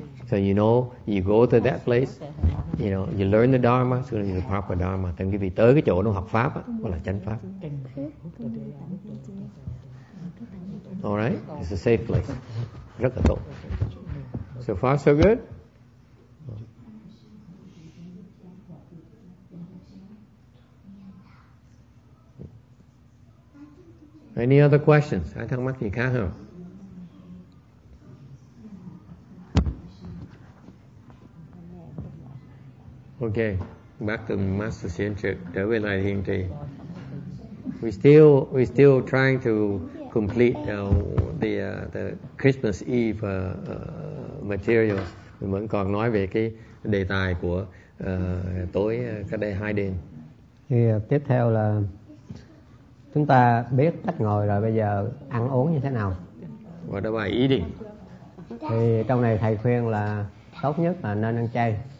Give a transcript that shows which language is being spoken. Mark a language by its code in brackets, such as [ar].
[en] So you know, you go to that place, you know, you learn the Dharma, so you learn proper Dharma. [vi] Thì quý vị tới cái chỗ nó học pháp á, gọi là chánh pháp. [en] All right, it's a safe place. [vi] Rất là tốt. [en] So far, so good. Any other questions? [vi] Ai thắc mắc gì khác không? [en] Okay, back to Master Xuyên Trực. [vi] Trở về lại hiện trì. [en] We still trying to complete the Christmas Eve materials. [vi] Mình vẫn còn nói về cái đề tài của tối cách đây hai đêm. Thì tiếp theo là chúng ta biết cách ngồi rồi, bây giờ ăn uống như thế nào? Và đó bài eating. Thì trong này thầy khuyên là tốt nhất là nên ăn chay.